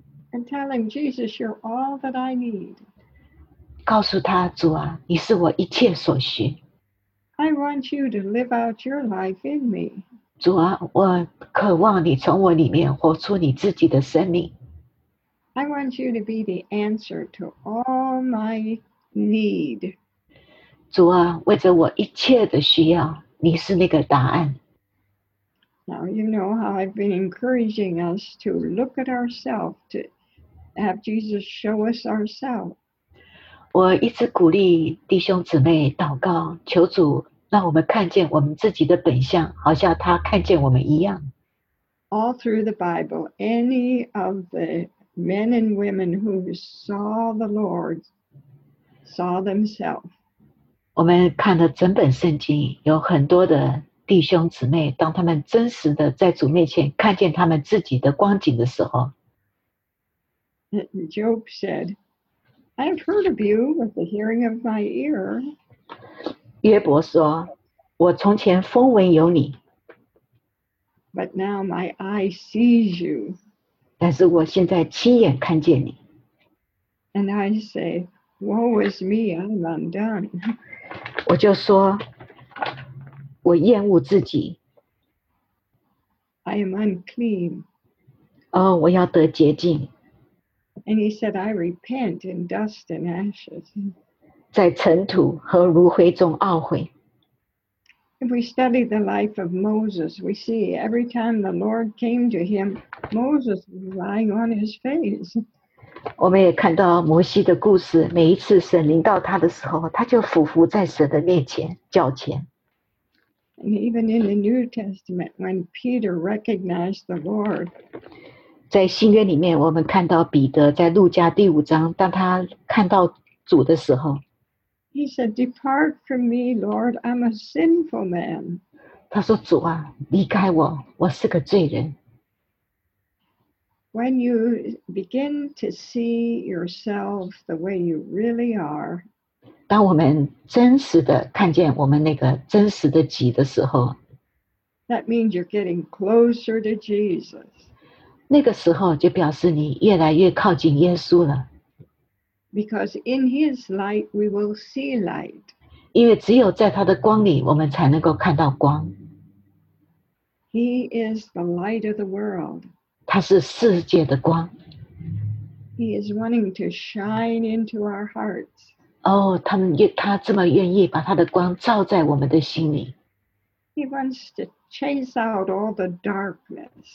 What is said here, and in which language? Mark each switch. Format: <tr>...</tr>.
<en>And tell him, Jesus, you're all that I need.</en> <zh>告诉他，主啊，你是我一切所需。</zh> <en>I want you to live out your life in me.</en> <zh>主啊，我渴望你从我里面活出你自己的生命。</zh> <en>I want you to be the answer to all my need.</en> <zh>主啊，为着我一切的需要，你是那个答案。</zh> <en>Now you know how I've been encouraging us to look at ourselves, to have Jesus show us ourselves.</en> <zh>我一直鼓励弟兄姊妹祷告，求主让我们看见我们自己的本相，好像他看见我们一样。</zh> <en>All through the Bible, any of the men and women who saw the Lord saw themselves.</en> <zh>我们看了整本圣经，有很多的弟兄姊妹，当他们真实的在主面前看见他们自己的光景的时候。</zh> <en>Job said, I've heard of you with the hearing of my ear.</en> <zh>约伯说，我从前风闻有你。</zh> <en>But now my eye sees you.</en> <zh>但是我现在亲眼看见你。</zh> <en>And I say, woe is me, I'm undone.</en> <zh>我就说，我厌恶自己。</zh> <en>I am unclean.</en> <zh>哦，我要得洁净。</zh> <en>And he said, I repent in dust and ashes.</en> <zh>在尘土和炉灰中懊悔。</zh> <en>If we study the life of Moses, we see every time the Lord came to him, Moses was lying on his face.</en> <zh>我们也看到摩西的故事，每一次神临到他的时候，他就俯伏在神的面前，脚前。</zh> <en>And even in the New Testament, when Peter recognized the Lord,</en> <zh>在新约里面，我们看到彼得在路加第五章，当他看到主的时候。</zh> <en>He said, Depart from me, Lord, I'm a sinful man.</en> <zh>他说，主啊，离开我，我是个罪人。</zh> <en>When you begin to see yourself the way you really are,</en> <zh>当我们真实的看见我们那个真实的己的时候，</zh> <en>that means you're getting closer to Jesus.</en> <zh>那个时候就表示你越来越靠近耶稣了。</zh> <en>Because in his light, we will see light.</en> <zh>因为只有在他的光里，我们才能够看到光。</zh> <en>He is the light of the world.</en> <zh>他是世界的光。</zh> <en>He is wanting to shine into our hearts.</en> <zh>哦，他这么愿意把他的光照在我们的心里。</zh> <en>He wants to chase out all the darkness.</en>